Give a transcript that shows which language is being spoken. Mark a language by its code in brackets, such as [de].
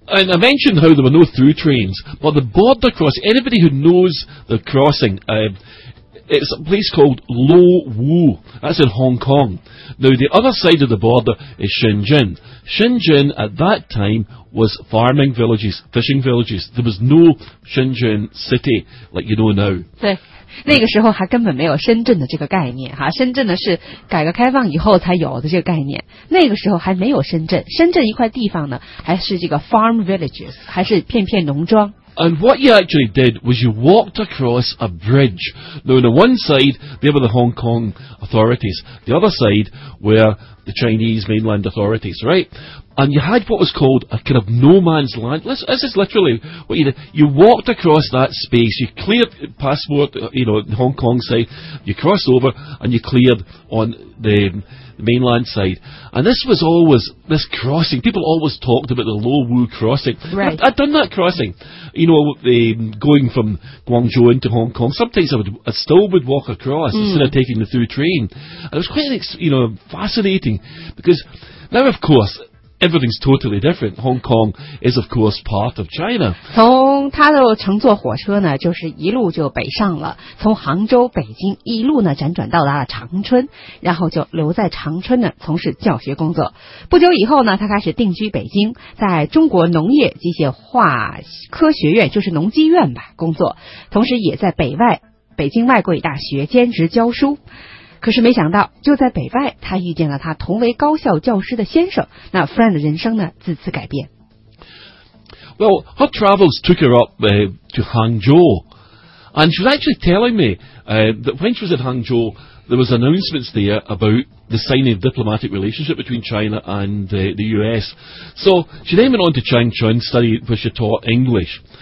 [en] Right. And I mentioned how there were no through trains, but the border cross, anybody who knows the crossing, it's a place called Lo Wu. That's in Hong Kong. Now, the other side of the border is Shenzhen. Shenzhen, at that time, was farming villages, fishing villages. There was no Shenzhen city like you know now. [zh] 对，那个时候还根本没有深圳的这个概念哈。深圳呢是改革开放以后才有的这个概念。那个时候还没有深圳。深圳一块地方呢，还是这个 [en] farm villages, [zh] 还是片片农庄。 [en] And what you actually did was you walked across a bridge. Now, on the one side, there were the Hong Kong authorities. The other side were the Chinese mainland authorities, right? And you had what was called a kind of no man's land. This is literally what you did. You walked across that space. You cleared passport, you know, the Hong Kong side. You crossed over and you cleared on the mainland side. And this was always this crossing. People always talked about the Lo Wu crossing. Right. I'd done that crossing. You know, going from Guangzhou into Hong Kong. Sometimes I still would walk across instead of taking the through train. And it was quite, you know, fascinating. Because now, of course, everything's totally different. Hong Kong is, of course, part of China. [zh] 从他的乘坐火车呢，就是一路就北上了，从杭州、北京一路呢辗转到达了长春，然后就留在长春呢从事教学工作。不久以后呢，他开始定居北京，在中国农业机械化科学院，就是农机院吧，工作，同时也在北京外国语大学兼职教书。可是没想到就在北外他遇见了他同为高校教师的先生，那 Fran 的人生呢自此改变。 [en] Well, her travels took her up to Hangzhou, and she was actually telling me that when she was at Hangzhou there was announcements there about the signing of diplomatic relationship between China and the US. So she then went on to Changchun study where she taught English.